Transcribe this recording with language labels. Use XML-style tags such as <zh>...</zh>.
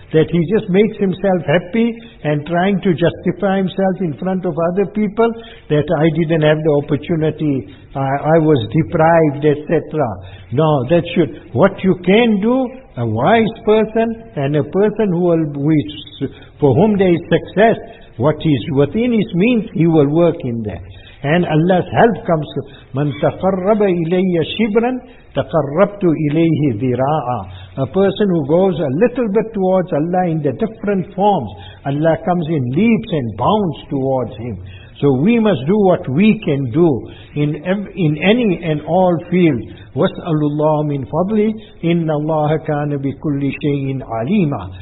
<en>That he just makes himself happy and trying to justify himself in front of other people that I didn't have the opportunity, I was deprived, etc. No, that should, what you can do, a wise person and a person who will, which, for whom there is success, what is within his means, he will work in that. And Allah's help comes,</en> <ar>مَنْ تَقَرَّبَ إِلَيَّ شِبْرًا تَقَرَّبْتُ إِلَيْهِ ذِرَاعًا.</ar> <en>A person who goes a little bit towards Allah in the different forms, Allah comes in leaps and bounds towards him. So we must do what we can do in any and all fields.</en> <ar>وَسْأَلُ اللَّهُ مِنْ فَضْلِ إِنَّ اللَّهَ كَانَ بِكُلِّ شَيْءٍ عَلِيمًا.</ar>